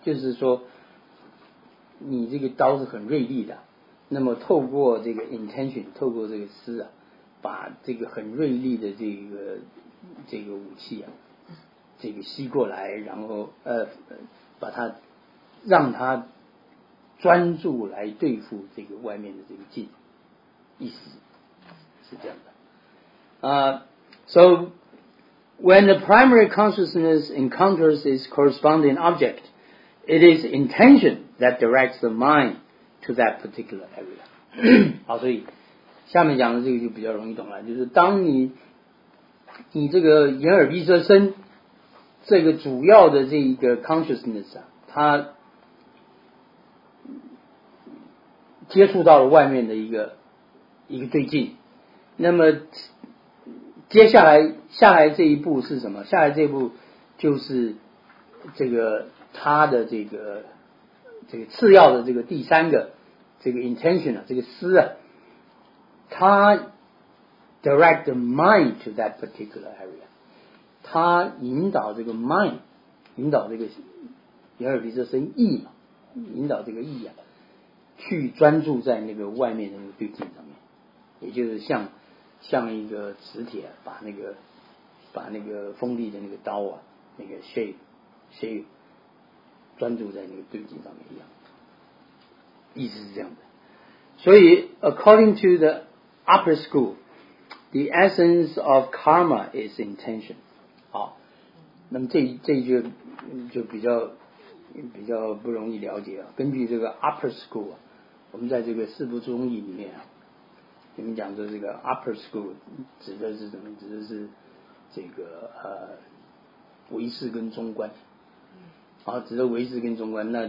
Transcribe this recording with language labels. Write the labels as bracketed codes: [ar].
[zh] 就是说你这个刀是很锐利的，那么透过这个 intention， 透过这个思啊，把这个很锐利的这个武器啊这个吸过来，然后把它让它专注来对付这个外面的这个劲，意思是这样的。 [en] So when the primary consciousness encounters its corresponding object, it is intention that directs the mind to that particular area. [zh] 好，所以下面讲的这个就比较容易懂了，就是当你这个眼耳鼻舌身这个主要的这一个 consciousness 啊，它接触到了外面的一个对境，那么接下来这一步是什么？下来这一步就是这个他的这个次要的这个第三个这个 intention 啊，这个思啊，他 direct the mind to that particular area，他引导这个 mind， 引导这个眼耳鼻舌身意嘛，引导这个意啊，去专注在那个外面的那个对境上面，也就是像一个磁铁把那个把那个锋利的那个刀啊，那个 shape 专注在那个对镜上面一样，意思是这样的。 [en] 所以 according to the upper school, the essence of karma is intention. [zh] 好，那么这一句就比较不容易了解啊。根据这个 upper school 啊，我们在这个四部中义里面啊，你们讲说这个 upper school 指的是什么？指的是这个唯识跟中观，好，指的唯识跟中观。